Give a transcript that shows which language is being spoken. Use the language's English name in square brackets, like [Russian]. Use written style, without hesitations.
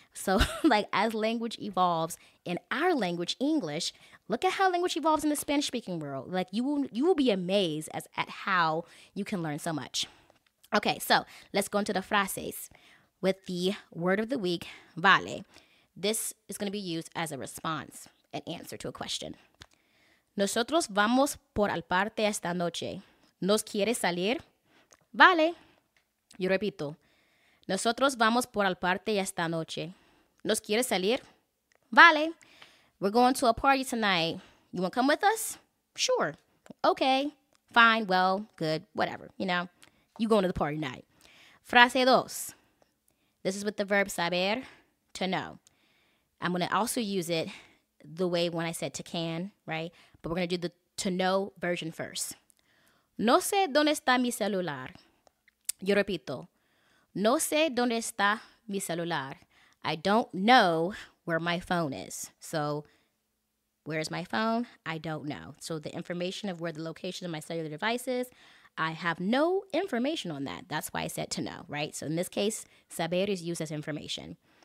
[English] So, like, as language evolves in our language, English, look at how language evolves in the Spanish-speaking world. Like, you will be amazed at how you can learn so much. Okay, so let's go into the frases with the word of the week, vale. This is going to be used as a response, an answer to a question. [Spanish] Nosotros vamos por al parte esta noche. ¿Nos quieres salir? Vale. Yo repito. Nosotros vamos por el parte esta noche. ¿Nos quieres salir? Vale. [English] We're going to a party tonight. You want to come with us? Sure. Okay. Fine. Well, good. Whatever. You know, you going to the party tonight. [Spanish] Frase dos. [English] This is with the verb saber, to know. I'm going to also use it the way when I said to can, right? But we're going to do the to know version first. [Spanish] No sé dónde está mi celular. Yo repito. No sé dónde está mi celular. [English] I don't know where my phone is. So, where is my phone? I don't know. So, the information of where the location of my cellular device is, I have no information on that. That's why I said to know, right? So, in this case, saber is used as information.